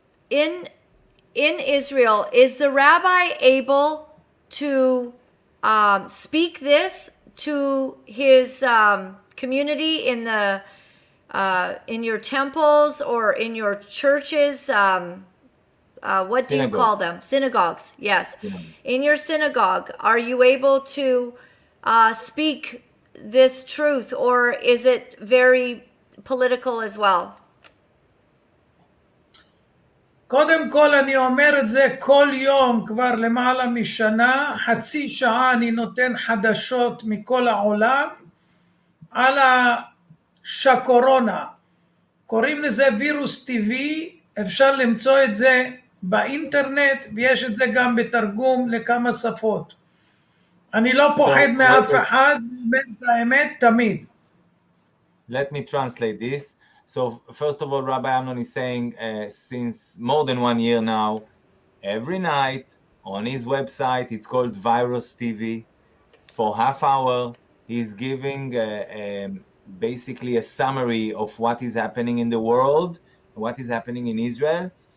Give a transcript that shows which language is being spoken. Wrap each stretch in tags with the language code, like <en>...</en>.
<en>In Israel, is the rabbi able to speak this to his community in your temples or in your churches? What synagogues. Do you call them? Synagogues. Yes. In your synagogue, are you able to speak this truth, or is it very political as well?</en> <he>קודם כל אני אומר את זה כל יום כבר למעלה משנה, חצי שעה אני נותן חדשות מכל העולם על השקורונה. קוראים לזה וירוס טבעי, אפשר למצוא את זה באינטרנט, ויש את זה גם בתרגום לכמה שפות. אני לא פוחד מאף אחד, באמת האמת תמיד.</he> <en>Let me translate this. So first of all, Rabbi Amnon is saying since more than 1 year now, every night on his website, it's called Virus TV, for half hour, he's giving basically a summary of what is happening in the world, what is happening in Israel.</en>